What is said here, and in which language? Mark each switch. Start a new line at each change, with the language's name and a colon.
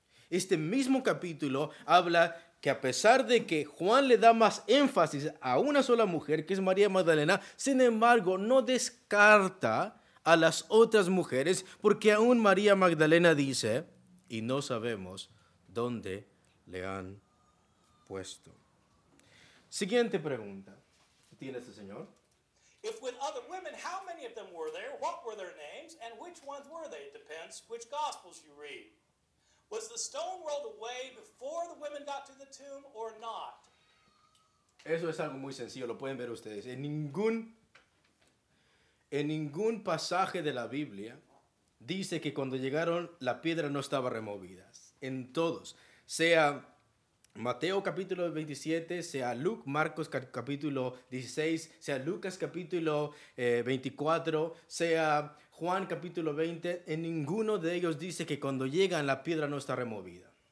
Spanish: Este mismo capítulo habla que a pesar de que Juan le da más énfasis a una sola mujer, que es María Magdalena, sin embargo, no descarta a las otras mujeres, porque aún María Magdalena dice, y no sabemos dónde le han puesto. Siguiente pregunta. ¿Tiene este señor?
English: If with other women, how many of them were there? What were their names? And which ones were they? It depends which gospels you read. Was the stone rolled away before the women got to the tomb or not?
Spanish: Eso es algo muy sencillo, lo pueden ver ustedes. En ningún pasaje de la Biblia dice que cuando llegaron la piedra no estaba removida. En todos, sea Mateo capítulo 27, sea Lucas, Marcos capítulo 16, sea Lucas capítulo 24, sea Juan capítulo 20, en ninguno de ellos dice que cuando llegan la piedra no está removida.